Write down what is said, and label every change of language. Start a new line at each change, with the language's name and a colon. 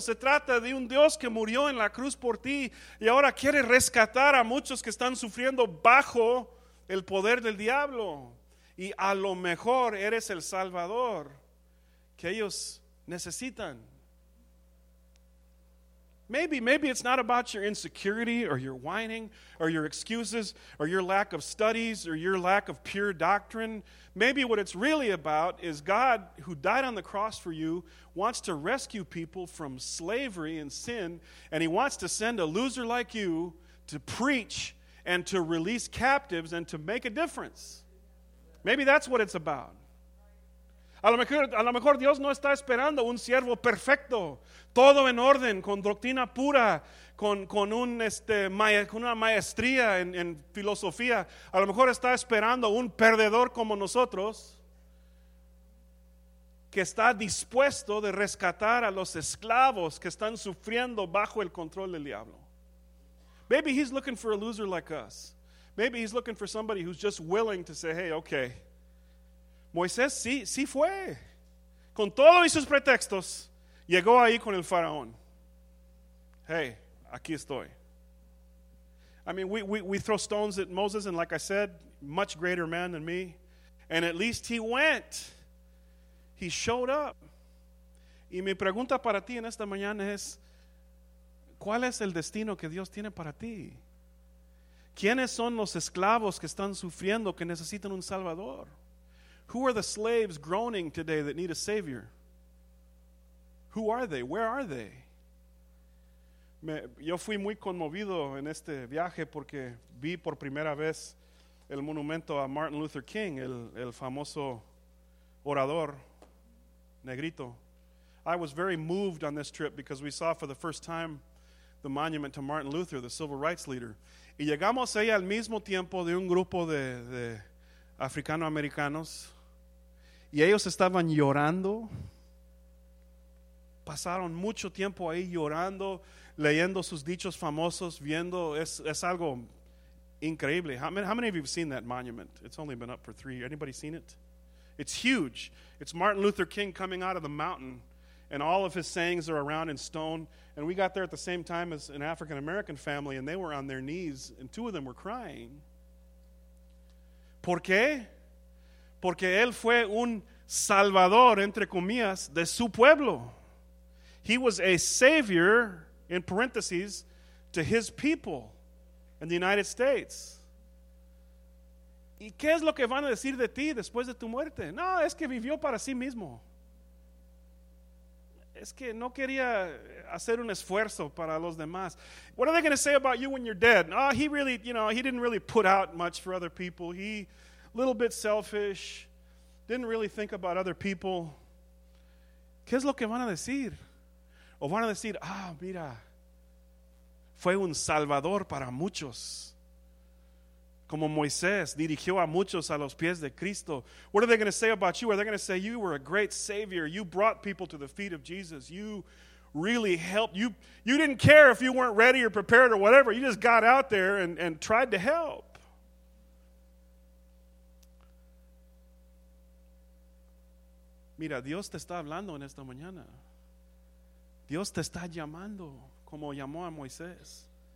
Spanish: Se trata de un Dios que murió en la cruz por ti y ahora quiere rescatar a muchos que están sufriendo bajo el poder del diablo. Y a lo mejor eres el Salvador que ellos necesitan.
English: Maybe it's not about your insecurity or your whining or your excuses or your lack of studies or your lack of pure doctrine. Maybe what it's really about is God, who died on the cross for you, wants to rescue people from slavery and sin, and he wants to send a loser like you to preach and to release captives and to make a difference. Maybe that's what it's about.
Spanish: A lo mejor Dios no está esperando un siervo perfecto, todo en orden, con doctrina pura, con una maestría en filosofía. A lo mejor está esperando un perdedor como nosotros, que está dispuesto de rescatar a los esclavos que están sufriendo bajo el control del diablo.
English: Maybe he's looking for a loser like us. Maybe he's looking for somebody who's just willing to say, hey, okay.
Spanish: Moisés sí fue. Con todos sus pretextos, llegó ahí con el faraón. Hey, aquí estoy.
English: I mean, we throw stones at Moses, and like I said, much greater man than me. And at least he went. He showed up.
Spanish: Y mi pregunta para ti en esta mañana es, ¿cuál es el destino que Dios tiene para ti? ¿Quiénes son los esclavos que están sufriendo, que necesitan un Salvador?
English: Who are the slaves groaning today that need a Savior? Who are they? Where are they?
Spanish: Yo fui muy conmovido en este viaje porque vi por primera vez el monumento a Martin Luther King, el famoso orador negrito.
English: I was very moved on this trip because we saw for the first time the monument to Martin Luther, the civil rights leader.
Spanish: Y llegamos ahí al mismo tiempo de un grupo de africano-americanos. Y ellos estaban llorando. Pasaron mucho tiempo ahí llorando, leyendo sus dichos famosos, viendo. Es algo increíble.
English: How many of you have seen that monument? It's only been up for 3 years. Anybody seen it? It's huge. It's Martin Luther King coming out of the mountain, and all of his sayings are around in stone. And we got there at the same time as an African-American family, and they were on their knees, and 2 of them were crying.
Spanish: ¿Por qué? Porque él fue un salvador, entre comillas, de su pueblo.
English: He was a savior, in parentheses, to his people in the United States.
Spanish: ¿Y qué es lo que van a decir de ti después de tu muerte? No, es que vivió para sí mismo. Es que no quería hacer un esfuerzo para los demás.
English: What are they going to say about you when you're dead? Oh, he really, you know, he didn't really put out much for other people. He, a little bit selfish, didn't really think about other people.
Spanish: ¿Qué es lo que van a decir? O van a decir, ah, mira, fue un salvador para muchos. Como Moisés dirigió a muchos a los pies de Cristo.
English: What are they going to say about you? Are they going to say, you were a great savior. You brought people to the feet of Jesus. You really helped. You didn't care if you weren't ready or prepared or whatever. You just got out there and tried to help.
Spanish: Mira, Dios te está hablando en esta mañana. Dios te está llamando como llamó a Moisés.